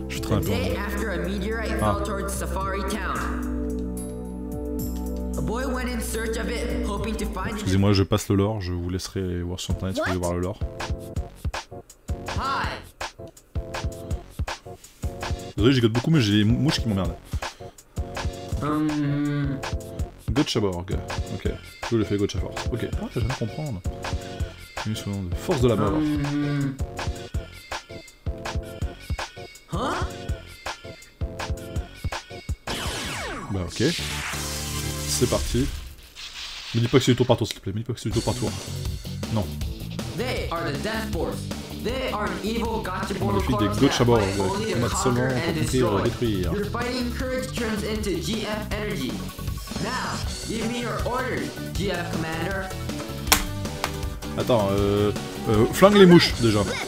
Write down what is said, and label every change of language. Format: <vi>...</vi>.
<en>The day after a meteorite fell towards Safari Town, a boy went in search of it, hoping to find.</en> <fr>Excusez-moi, je passe le lore. Je vous laisserai voir sur internet si vous voulez voir le lore. Hi. Désolé, j'écoute beaucoup, mais j'ai des mouches qui m'emmerdent. Gotchaborg. Ok. Je le fais Gotchaborg. Ok. Oh, j'ai rien à comprendre. Une seconde. De force de la mort. Bah ok, c'est parti. Me dis pas que c'est du tour par tour s'il te plaît, me dis pas que c'est du tour par tour. Non.</fr> <en>They are the Death Force. They are an evil Gotchaborg.</en> <fr>Je suis des Gotchaborg, on a seulement pour détruire.</fr> <en>Your fighting courage turns into GF energy. Now, give me your orders, GF commander.</en> <fr>Attends, flingue les mouches déjà.</fr>